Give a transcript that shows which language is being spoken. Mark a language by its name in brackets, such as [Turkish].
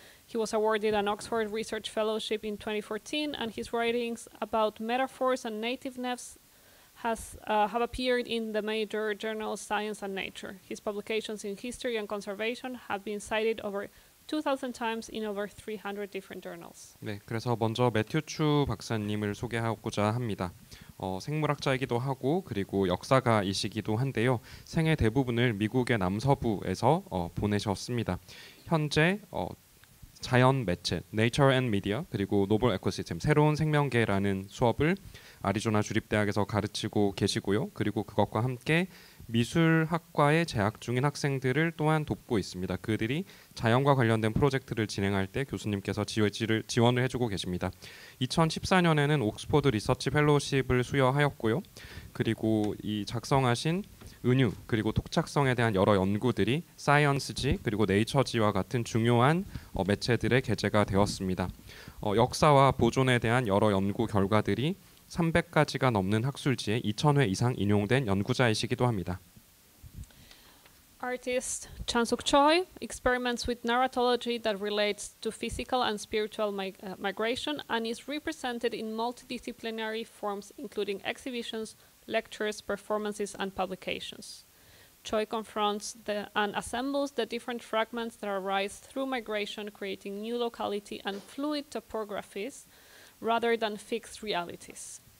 [English] He was awarded an Oxford Research Fellowship in 2014, and his writings about metaphors and nativeness have appeared in the major journals Science and Nature. His publications in history and conservation have been cited over 2,000 times in over 300 different journals. [Korean] 네, 그래서 먼저 매튜 추 박사님을 소개하고자 합니다. 생물학자이기도 하고 그리고 역사가이시기도 한데요. 생애 대부분을 미국의 남서부에서 보내셨습니다. 현재 자연 매체, Nature and Media, 그리고 Novel Ecosystem, 새로운 생명계라는 수업을 아리조나 주립대학에서 가르치고 계시고요. 그리고 그것과 함께 미술학과에 재학 중인 학생들을 또한 돕고 있습니다. 그들이 자연과 관련된 프로젝트를 진행할 때 교수님께서 지원을 해주고 계십니다. 2014년에는 옥스퍼드 리서치 펠로우십을 수여하였고요. 그리고 이 작성하신 은유 그리고 독착성에 대한 여러 연구들이 사이언스지 그리고 네이처지와 같은 중요한 매체들의 게재가 되었습니다. 역사와 보존에 대한 여러 연구 결과들이 300가지가 넘는 학술지에 2,000회 이상 인용된 연구자이시기도 합니다. [English] Artist Chan Suk Choi experiments with narratology that relates to physical and spiritual migration and is represented in multidisciplinary forms, including exhibitions, lectures, performances, and publications. Choi confronts and assembles the different fragments that arise through migration, creating new locality and fluid topographies rather than fixed realities.